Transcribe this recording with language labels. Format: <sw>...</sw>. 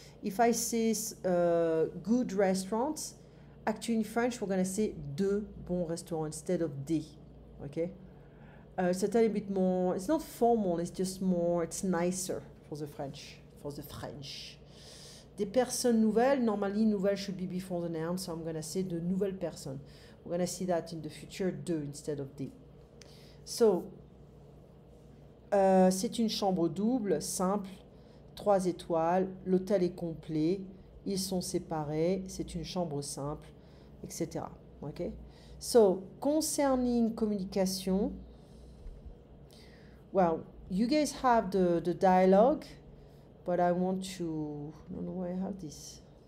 <en>If I say good restaurants, actually in French, we're going to say</en> <fr>de bons restaurants</fr> <en>instead of des. Okay? It's a tiny bit more, it's not formal, it's just more, it's nicer for the French. For the French.</en> <fr>Des personnes nouvelles,</fr> <en>normally nouvelles should be before the noun, so I'm going to say</en> <fr>de nouvelles personnes.</fr> <en>We're going to see that in the future, de instead of des.</en> <fr>So, c'est une chambre double, simple, trois étoiles, l'hôtel est complet, ils sont séparés, c'est une chambre simple, etc.</fr> <en>Okay? So, concerning communication, well, you guys have the dialogue, but I want to. I don't know why I have this.</en>